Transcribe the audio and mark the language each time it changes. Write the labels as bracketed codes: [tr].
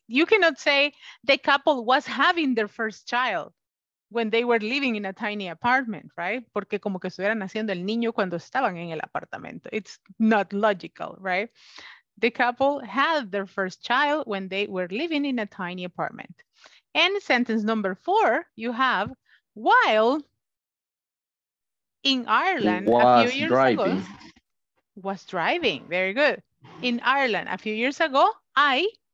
[en] You cannot say the couple was having their first child when they were living in a tiny apartment, right? [es] Porque como que estuvieran haciendo el niño cuando estaban en el apartamento. [en] It's not logical, right? The couple had their first child when they were living in a tiny apartment. And sentence number four, you have, while in Ireland a few years driving. Ago, was driving, very good. In Ireland a few years ago, I